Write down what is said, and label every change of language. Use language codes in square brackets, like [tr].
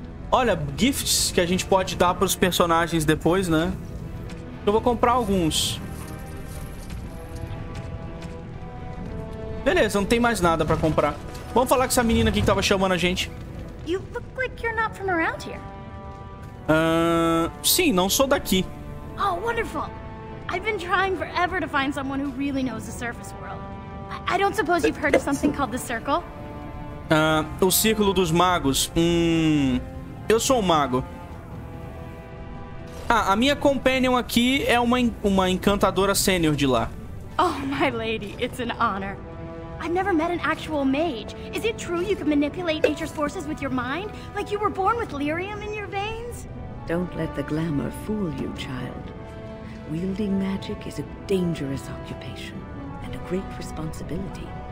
[pt] Olha, gifts que a gente pode dar pros personagens depois, né? Eu vou comprar alguns. Beleza, não tem mais nada pra comprar. Vamos falar com essa menina aqui que tava chamando a gente. [en] You look like you're not from around here. [pt] Sim, não sou daqui. [en] Oh, wonderful. I've been trying forever to find someone who really knows the surface world. I don't suppose you've heard of something called the circle? [pt] O círculo dos magos. Eu sou um mago. Ah, a minha companion aqui é uma encantadora sênior de lá. [en] Oh, my lady, it's an honor. I've never met an actual mage. Is it true you can manipulate nature's forces with your mind? Like you were born with lyrium in your veins? Don't let the glamour fool you, child. Wielding magic is a dangerous occupation and a great responsibility.